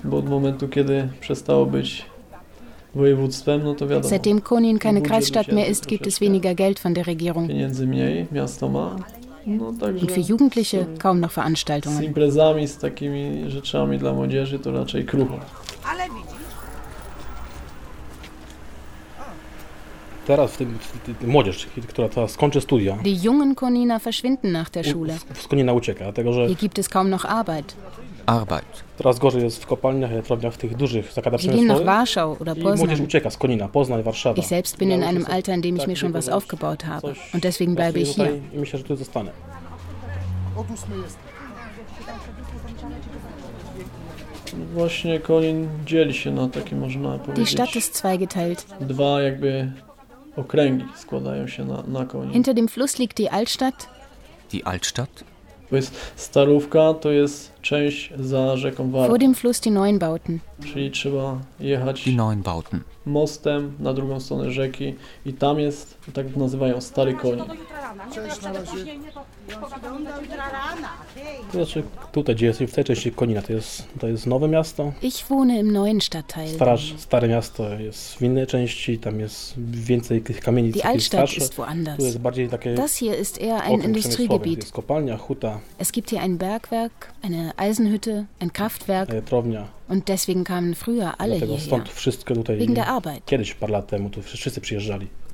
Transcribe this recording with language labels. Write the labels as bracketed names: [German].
[Polish] Bo od momentu, kiedy przestało być województwem, no to wiadomo. [German] Seitdem Konin keine Kreisstadt mehr ist, gibt es weniger Geld von der Regierung. [Polish] Pieniędzy mniej, miasto ma. No, także [German] und für Jugendliche kaum noch Veranstaltungen. [Polish] Z imprezami, z takimi rzeczami dla młodzieży, to raczej krucho. Ale teraz w tym młodzież, która teraz skończy studia. [German] Die jungen Koniner verschwinden nach der Schule. [Polish] Z Konina ucieka, dlatego że [German] hier gibt es kaum noch Arbeit. Arbeit. [Polish] Teraz gorzej jest w kopalniach, elektrowniach, w tych dużych zakładach przemysłowych. [German] Sie gehen nach Warschau oder Poznań. [Polish] I młodzież ucieka z Konina, Poznań, Warszawa. [German] Ich selbst bin in einem Alter, in dem ich mir schon was aufgebaut habe. Und deswegen bleibe ich hier. [Polish] I myślę, że tu zostanę. Właśnie Konin dzieli się na takie, można powiedzieć. [German] Die Stadt ist zweigeteilt. [Polish] Dwa jakby okręgi składają się na Konin. [German] Hinter dem Fluss liegt die Altstadt. Die Altstadt? [Polish] To jest starówka, to jest Część za rzeką Warą. [German] Vor dem Fluss die neuen Bauten. [Polish] Czyli trzeba jechać [German] die neuen Bauten. [Polish] Mostem na drugą stronę rzeki i tam jest, tak nazywają, stary koń. To znaczy, tutaj, gdzie jest w tej części Konina, to jest nowe miasto. [German] Ich wohne im neuen Stadtteil. [Polish] Stare miasto jest w innej części, tam jest więcej tych kamienic. [German] Die Altstadt ist woanders. [Polish] Tu jest bardziej takie. [German] Das hier ist eher ein Industriegebiet. [Polish] Jest kopalnia, huta. [German] Es gibt hier ein Bergwerk, eine Eisenhütte, ein Kraftwerk. [Polish] Elektrownia. [German] Und deswegen kamen früher alle hierher. Wegen der Arbeit. [Polish] Kiedyś, parę lat temu, tu wszyscy przyjeżdżali.